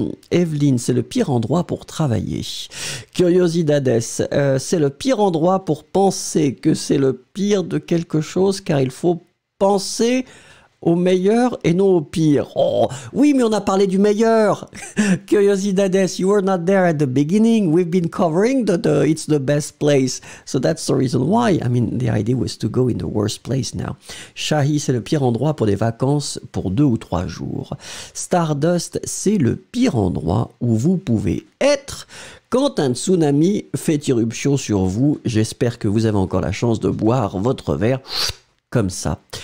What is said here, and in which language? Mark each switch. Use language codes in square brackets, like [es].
[fr] Evelyne, c'est le pire endroit pour travailler. Curiosidades, c'est le pire endroit pour penser que c'est le pire de quelque chose, car il faut penser au meilleur et non au pire. Oh, oui, mais on a parlé du meilleur. [en] Curiosidades, you were not there at the beginning. We've been covering the it's the best place. So that's the reason why. I mean, the idea was to go in the worst place now. [fr] Shahi, c'est le pire endroit pour des vacances pour 2 ou 3 jours. Stardust, c'est le pire endroit où vous pouvez être quand un tsunami fait irruption sur vous. J'espère que vous avez encore la chance de boire votre verre comme ça.